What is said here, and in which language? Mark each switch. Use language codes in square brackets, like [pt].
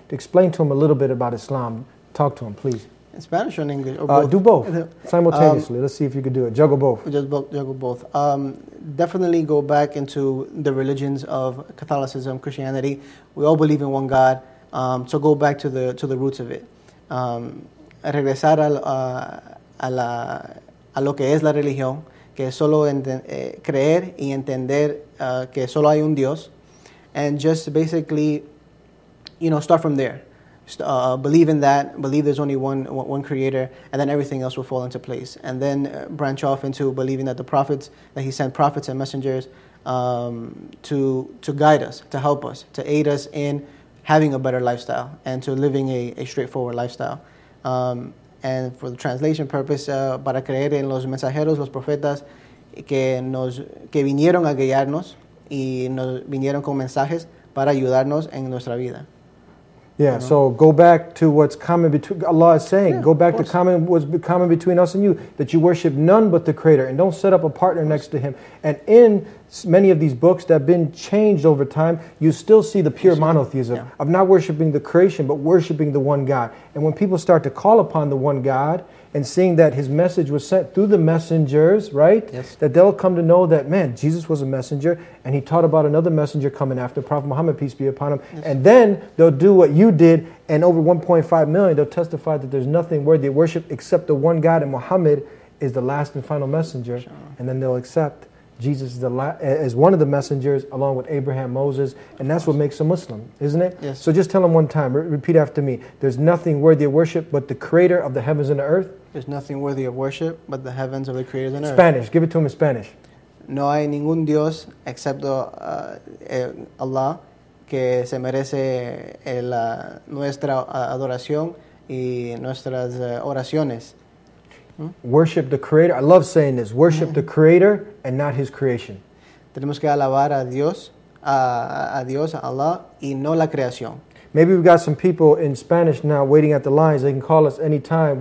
[en] Explain to them a little bit about Islam. Talk to them, please. In Spanish or in English? Or both? Do both, simultaneously. Let's see if you could do it. Juggle both. Juggle both. Definitely go back into the religions of Catholicism, Christianity. We all believe in one God. So go back to the roots of it. [es] Regresar a lo que es la religión, que es solo creer y entender que solo hay un Dios. [en] And just basically, you know, start from there. Believe in that, believe there's only one creator, and then everything else will fall into place. And then branch off into believing that the prophets, that he sent prophets and messengers to guide us, to help us, to aid us in having a better lifestyle and to living a straightforward lifestyle. And for the translation purpose, [es] para creer en los mensajeros, los profetas, que vinieron a guiarnos, y nos vinieron con mensajes para ayudarnos en nuestra vida. [en] Yeah, so go back to what's common between, Allah is saying, go back to common, what's common between us and you, that you worship none but the Creator, and don't set up a partner next to Him. And in many of these books that have been changed over time, you still see the pure monotheism of not worshiping the creation, but worshiping the one God. And when people start to call upon the one God, and seeing that His message was sent through the messengers, right? Yes. That they'll come to know that, man, Jesus was a messenger, and He taught about another messenger coming after Prophet Muhammad, peace be upon him. Yes. And then they'll do what you did, and over 1.5 million, they'll testify that there's nothing worthy of worship except the one God, and Muhammad is the last and final messenger. Sure. And then they'll accept Jesus is the as one of the messengers, along with Abraham, Moses, and that's what makes a Muslim, isn't it? Yes. So just tell them one time, repeat after me. There's nothing worthy of worship but the Creator of the heavens and the earth. There's nothing worthy of worship but the heavens of the Creator and the earth. Spanish, give it to him in Spanish. [es] No hay ningún Dios excepto Allah que se merece nuestra adoración y nuestras oraciones. [en] Worship the Creator. I love saying this. Worship the Creator and not His creation. [es] Tenemos que alabar a Dios, a Allah, y no la creación. [en] Maybe we've got some people in Spanish now waiting at the lines. They can call us anytime.